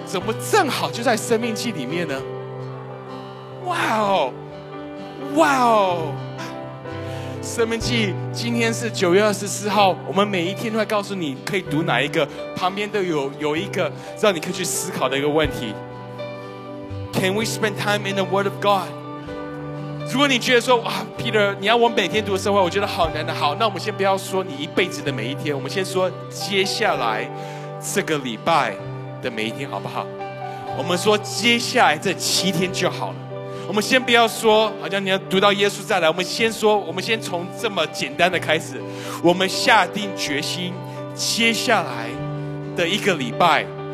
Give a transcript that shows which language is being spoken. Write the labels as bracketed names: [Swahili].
[Chinese] 怎么正好就在生命记里面呢？ Wow! Wow! 生命记今天是9月24号，我们每一天都会告诉你可以读哪一个，旁边都有一个让你可以去思考的一个问题。 [English] Can we spend time in the Word of God? [Chinese] 如果你觉得说，哇 ,Peter, 你要我每天读的生活，我觉得好难的，好，那我们先不要说你一辈子的每一天，我们先说接下来这个礼拜的每一天好不好？我们说接下来这七天就好了，我们先不要说好像你要读到耶稣再来，我们先说，我们先从这么简单的开始，我们下定决心接下来的一个礼拜。